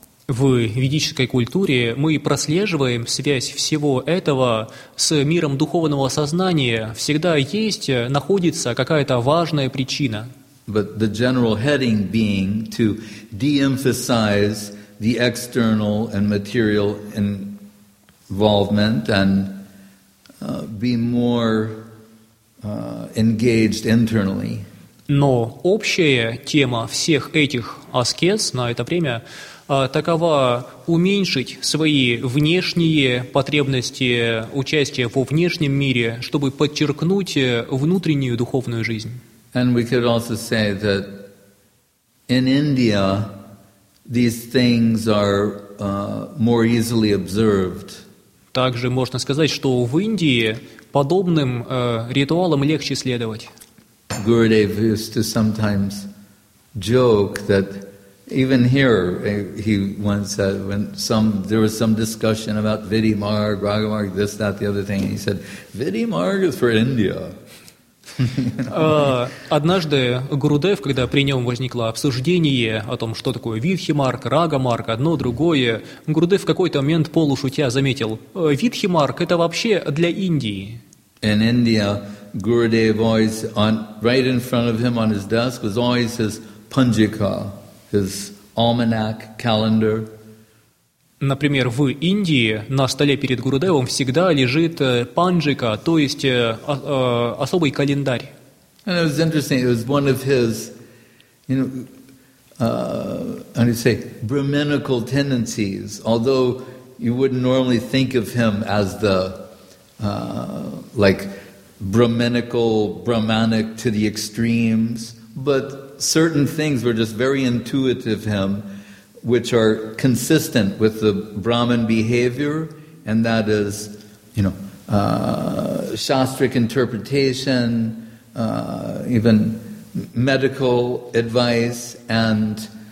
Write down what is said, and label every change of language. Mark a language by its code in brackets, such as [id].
[ru] В ведической культуре мы прослеживаем связь всего этого с миром духовного сознания. Всегда есть, находится какая-то важная причина. [en] But the general heading being to de-emphasize the external and material involvement and be more engaged internally. [ru] Но общая тема всех этих аскез на это время – такова уменьшить свои внешние потребности участия во внешнем мире, чтобы подчеркнуть внутреннюю духовную жизнь. [en] And we could also say that in India these things are more easily observed. [ru] Также можно сказать, что в Индии подобным ритуалам легче следовать. [en] Gurudev used to sometimes joke that even here, he once said, when there was some discussion about Vidhimarg, Raghamarg, this, that, the other thing, he said, Vidhimarg is for India. [ru] Однажды Гурудев, когда при нем возникло обсуждение о том, что такое Видхимарг, Рагамарг, одно, другое, Гурудев в какой-то момент полушутя заметил, Видхимарг – это вообще для Индии. [en] In India, Gurudev always, right in front of him on his desk, was always his панджика. His almanac calendar. [ru] Например, в Индии на столе перед Гурудевом всегда лежит панджика, то есть особый календарь. [en] And it was interesting. It was one of his, how do you say, brahminical tendencies. Although you wouldn't normally think of him as the like brahminical, brahmanic to the extremes, but certain things were just very intuitive him, which are consistent with the Brahman behavior, and that is, you know, shastric interpretation, even medical advice, and